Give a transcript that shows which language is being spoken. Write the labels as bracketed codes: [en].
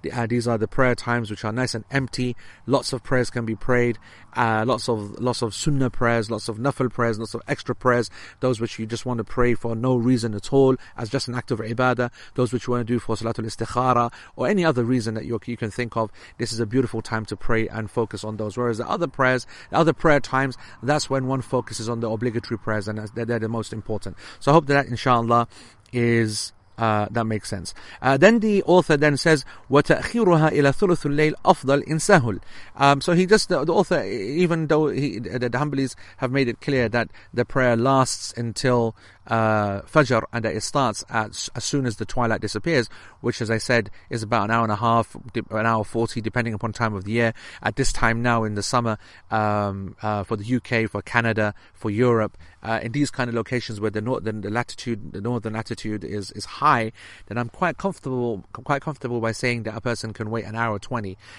[en] These are the prayer times which are nice and empty. Lots of prayers can be prayed, lots of Sunnah prayers, lots of Nafl prayers, lots of extra prayers, those which you just want to pray for no reason at all, as just an act of Ibadah, those which you want to do for Salatul Istikhara, or any other reason that you can think of. This is a beautiful time to pray and focus on those. Whereas the other prayers, the other prayer times, that's when one focuses on the obligatory prayers, and they're the most important. So I hope that inshallah is that makes sense. Then the author then says, [ar] وَتَأْخِيرُهَا إِلَى ثُلُثُ اللَّيْلِ أَفْضَلٍ إِنْ سَهُلْ. [en] So he just, the author, even though the Hanbalis have made it clear that the prayer lasts until Fajr, and that it starts as soon as the twilight disappears, which as I said is about an hour and a half, an hour 40 depending upon time of the year. At this time now in the summer, for the UK, for Canada, for Europe, in these kind of locations where the northern latitude is high, then I'm quite comfortable by saying that a person can wait an hour 20.